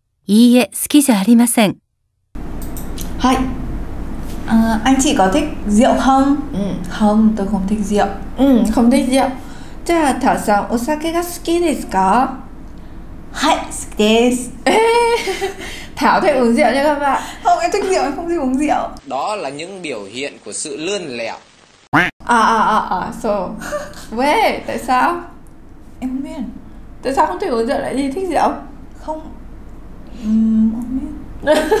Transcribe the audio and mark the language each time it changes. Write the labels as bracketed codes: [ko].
[ja] いいえ、好きじゃありません。はい。 [vi] Anh chị có thích rượu không? Không, tôi không thích rượu. Không thích rượu. Chà, Thảo sao, [ja] お酒が好きですか? はい、好きです。 [vi] Thảo thích uống rượu nha các bạn. Không, em thích rượu, em không thích uống rượu. Đó là những biểu hiện của sự lươn lẹo. [en] So. Wait, [vi] tại sao? Em không biết. Tại sao không thích uống rượu lại đi thích rượu? Không. Không biết.